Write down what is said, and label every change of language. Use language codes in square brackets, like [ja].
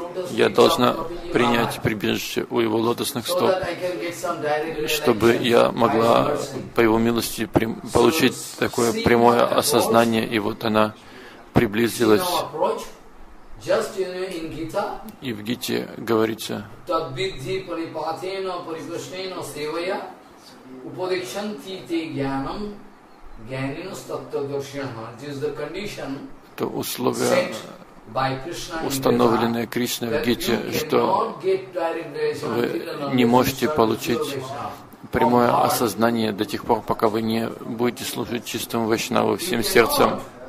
[ru] Я должна принять прибежище у его лотосных стоп, чтобы я могла по его милости получить такое прямое осознание. И вот она приблизилась. [en] Just in Gita, [ru] и в Гите говорится, [sa] Тадбидхи Парипатена Парикрашнена Севая Уподикшанти Те Гьянам Гьянинас Таттагаршина. [en] This is the condition set by Krishna in Gita, [ru] установленное Кришной в Гите, что вы не можете получить прямое осознание до тех пор, пока вы не будете служить чистому вайшнаву всем сердцем.